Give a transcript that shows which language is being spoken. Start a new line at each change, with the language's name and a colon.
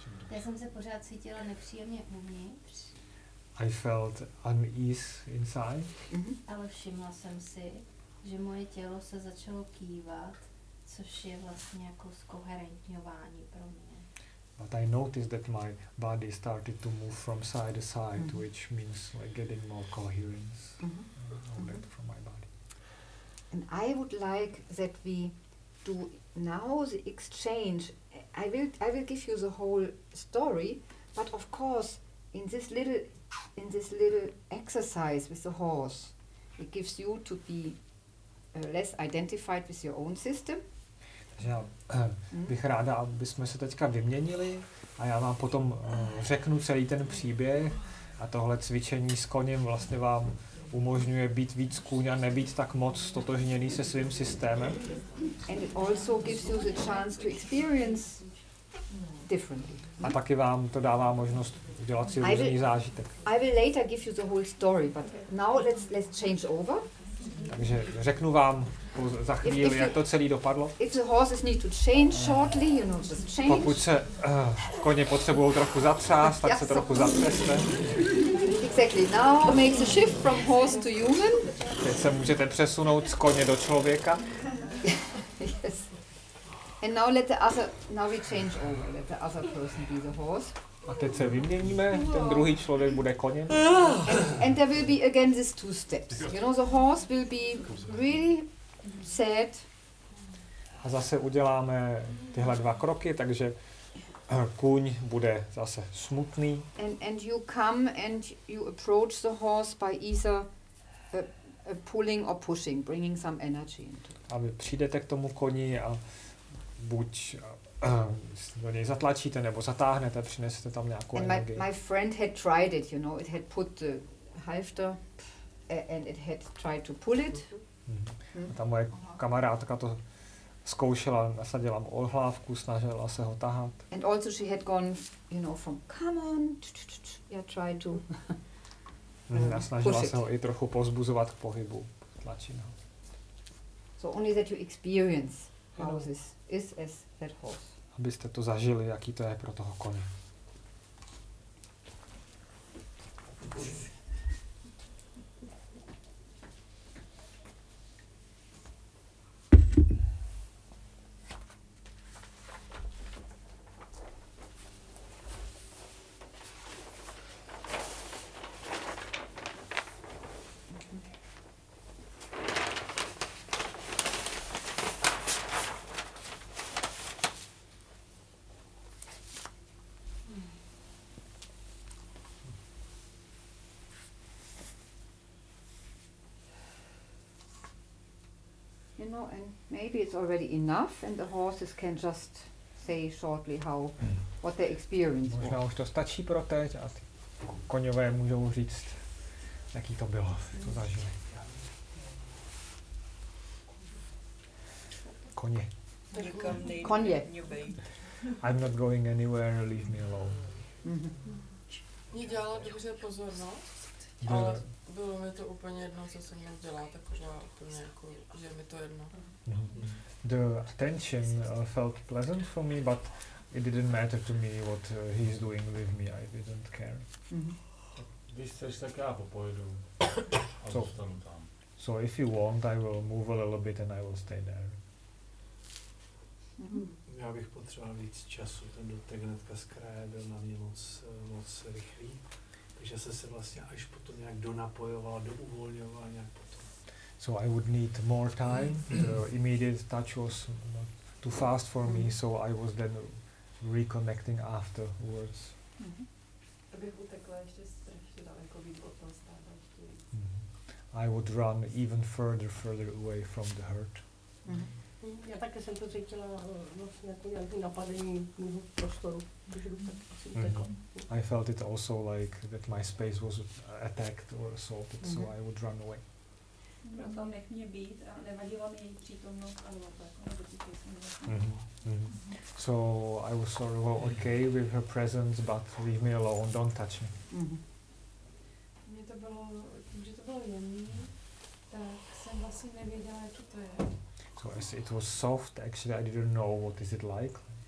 Czech: Já jsem se pořád cítila nepříjemně uvnitř.
English: I felt unease inside.
Czech: Ale všimla jsem si, že moje tělo se začalo kývat, což je vlastně jako zkoherentňování pro mě.
English: But I noticed that my body started to move from side to side, which means like getting more coherence from my body. And I would like that we do now the exchange. I will give you the whole story, but of course in this little exercise with the horse, it gives you to be less identified with your own system.
Czech: Takže bych ráda, aby jsme se teďka vyměnili a já vám potom řeknu celý ten příběh a tohle cvičení s koněm vlastně vám umožňuje být víc kůň a nebýt tak moc totožněný se svým systémem.
English: And it also gives you the chance to experience differently.
Czech: A taky vám to dává možnost udělat si různý zážitek.
English: I will later give you the whole story, but now let's change over.
Czech: Takže řeknu vám za chvíli, jak to celý dopadlo.
English: If the horses need to change shortly, you know, just change.
Czech: Pokud se koně potřebují trochu zatřást, tak se trochu zatřeste.
English: Exactly. Now make the shift from horse to human.
Czech: Teď se můžete přesunout z koně do člověka.
English: Yes. And now let the other, now we change over, let the other person be the horse.
Czech: A teď se vyměníme, ten druhý člověk bude koněm.
English: And there will be again these two steps. You know, the horse will be really sad.
Czech: A zase uděláme tyhle dva kroky, takže kůň bude zase smutný.
English: And you come and you approach the horse by either a pulling or pushing, bringing some energy into it.
Czech: A vy přijdete k tomu koni a buď do něj zatlačíte nebo zatáhnete, přinesete tam nějakou energii.
English: And my friend had tried it, you know, it had put the halfter and it had tried to pull it.
Czech: A ta moje kamarádka to zkoušela, nasadila mu ohlávku, snažila se ho tahat.
English: And also she had gone, you know, from come on, yeah, try to
Czech: a snažila se ho i trochu pozbuzovat k pohybu, tlačit ho.
English: So only that you experience how this is as that horse.
Czech: Abyste to zažili, jaký to je pro toho koně.
English: No, and maybe it's already enough and the horses can just say shortly how what their experience
Czech: možná
English: was.
Czech: Možná už to stačí pro teď a ty koňové můžou říct, jaký to bylo, co zažili. Koně. Koně.
English: I'm not going anywhere, leave me alone. Mm-hmm.
Czech: Mě dělala dobře pozornost. Ale bylo mi to úplně jedno, co jsem měl dělat, tak už měla úplně jako, že mi to jedno.
English: The attention felt pleasant for me, but it didn't matter to me what he's doing with me, I didn't care.
Czech: Když chceš, tak já popojedu a zůstanu tam.
English: So if you want, I will move a little bit and I will stay there.
Czech: Já bych potřeboval víc času, ten dotek hnedka z kraje byl na mě moc rychlý. Takže jsem se vlastně až potom nějak donapojoval, douvolňoval nějak potom.
English: So I would need more time. The immediate touch was too fast for me, so I was then reconnecting afterwards.
Czech: To bych utekla ještě strašně daleko víc od toho stáda.
English: I would run even further away from the hurt.
Czech: Já také jsem to cítila vlastně nějaký napadení mého prostoru, když jdu tak asi utekla.
English: I felt it also like that my space was attacked or assaulted, so I would run away.
Czech: Proto nech mě být a nevadila mi její přítomnost, ale to cítila jsem.
English: So I was sort of okay with her presence, but leave me alone, don't touch me.
Czech: Mně to bylo, tím, že to bylo jemný, tak jsem vlastně nevěděla, jaký to je.
English: So as it was soft, actually I didn't know what is it like.